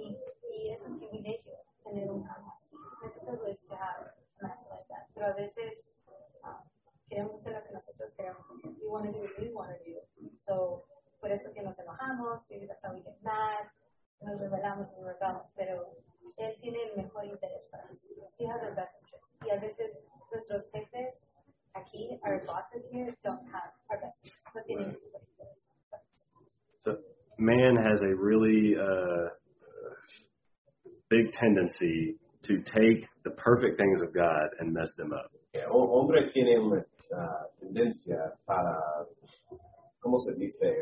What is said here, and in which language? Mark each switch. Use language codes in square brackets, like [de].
[es] Y es un privilegio tener un amo así. [en] It's a privilege to have a master like that. [es] Pero a veces queremos hacer lo que nosotros queremos hacer. [en] We want to do what we want to do. [es] So, por eso es que nos enojamos, y [en] that's how we get mad, [es] nos rebelamos y nos rebelamos. Pero él tiene el mejor interés para nosotros. [en] He has our best interest. [es] Y a veces nuestros jefes aquí, [en] our bosses here, don't have our best interest. [es] No tienen el mejor interés. [en] So, man has a really big tendency to take the perfect things of God and mess them up. [es] Yeah, hombre tiene una tendencia para, ¿cómo se dice?